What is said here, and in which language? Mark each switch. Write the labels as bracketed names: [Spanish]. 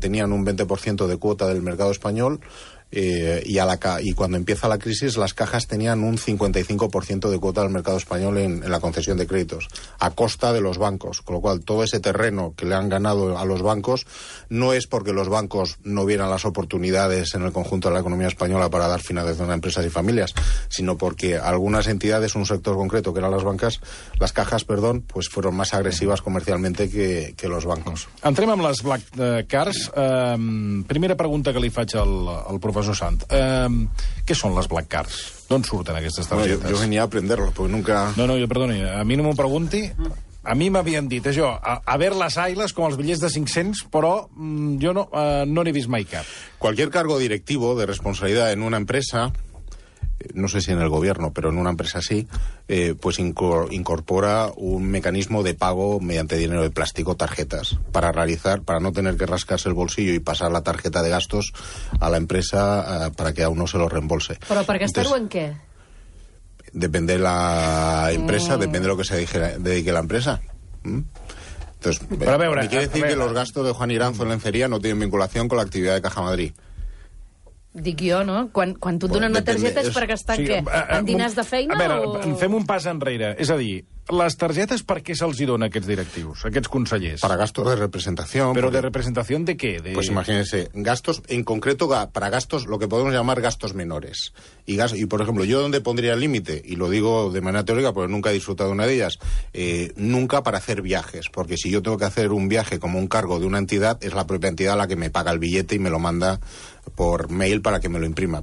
[Spanish] Tenían un 20% de cuota del mercado español y cuando empieza la crisis las cajas tenían un 55% de cuota del mercado español en la concesión de créditos a costa de los bancos, con lo cual todo ese terreno que le han ganado a los bancos no es porque los bancos no vieran las oportunidades en el conjunto de la economía española para dar financiación a empresas y familias, sino porque algunas entidades, un sector concreto que eran las cajas, pues fueron más agresivas comercialmente que los bancos. [Catalan] Entrem amb les black cards. Primera pregunta que li faig al professor Sant. Què són les black cards? D'on surten aquestes targetes? Jo venia a aprender-les, perquè nunca... No, jo perdoni, a mi no m'ho pregunti. A mi m'havien dit això, [Spanish] a ver las ailes [Catalan] com els bitllets de 500, però jo no n'he vist mai cap. [Spanish] Cualquier cargo directivo de responsabilidad en una empresa, no sé si en el gobierno, pero en una empresa sí, pues incorpora un mecanismo de pago mediante dinero de plástico, tarjetas, para no tener que rascarse el bolsillo y pasar la tarjeta de gastos a la empresa para que a uno se lo reembolse. ¿Pero para gastarlo en qué? Depende de la empresa, depende de lo que se dedique la empresa. Entonces, quiere decir que los gastos de Juan Iranzo en lencería no tienen vinculación con la actividad de Caja Madrid. [Catalan] Dic jo, no? Quan tu et donen una targeta és per gastar en què? En dinars de feina? A veure, fem un pas enrere. És a dir, les targetes per què se'ls dona aquests directius, aquests consellers? [Spanish] Para gastos de representación. Pero de representación de qué? Pues imagínense, gastos, en concreto, para gastos, lo que podemos llamar gastos menores. Y por ejemplo, ¿yo dónde pondría el límite? Y lo digo de manera teórica porque nunca he disfrutado una de ellas. Nunca para hacer viajes, porque si yo tengo que hacer un viaje como un cargo de una entidad, es la propia entidad la que me paga el billete y me lo manda por mail para que me lo imprima.